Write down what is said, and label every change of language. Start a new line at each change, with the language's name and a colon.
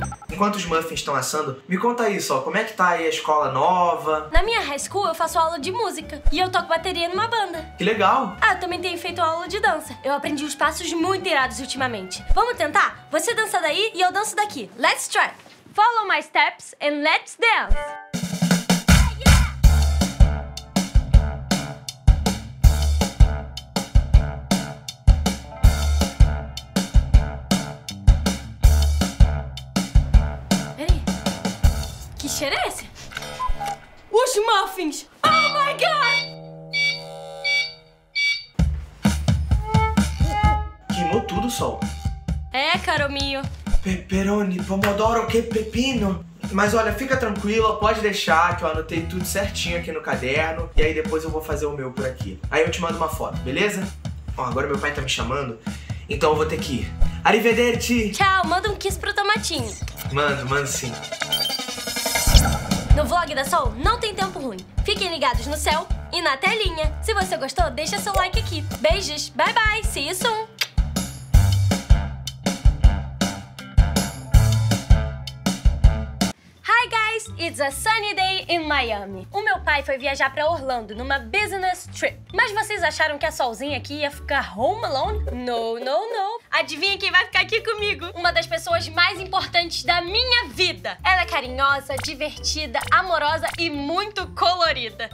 Portuguese: Enquanto os muffins estão assando, me conta aí, Sol, como é que tá aí a escola nova? Na minha high school eu faço aula de música e eu toco bateria numa banda. Que legal! Ah, eu também tenho feito aula de dança. Eu aprendi os passos muito irados ultimamente. Vamos tentar? Você dança daí e eu danço daqui.
English: Let's try! Follow my steps and let's dance!
Portuguese: Que cheiro é esse? Os muffins!
English: Oh my god!
Portuguese: Queimou tudo, Sol. É,
Italian: caro mio.
Portuguese: Pepperoni, pomodoro, que pepino. Mas olha, fica tranquila, pode deixar que eu anotei tudo certinho aqui no caderno. E aí depois eu vou fazer o meu por aqui. Aí eu te mando uma foto, beleza? Ó, agora meu pai tá me chamando, então eu vou ter que ir.
Italian: Arrivederci!
Portuguese: Tchau, manda um kiss pro Tomatinho. Mando sim. No vlog da Sol, não tem tempo ruim. Fiquem ligados no céu e na telinha. Se você gostou, deixa seu like aqui. Beijos,
English: bye bye, see you soon. Hi guys, it's a sunny day in Miami.
Portuguese: O meu pai foi viajar pra Orlando numa
English: business trip.
Portuguese: Mas vocês acharam que a Solzinha aqui ia ficar
English: home alone? No, no, no.
Portuguese: Adivinha quem vai ficar aqui comigo? Uma das pessoas mais importantes da minha vida. Ela é carinhosa, divertida, amorosa e muito colorida.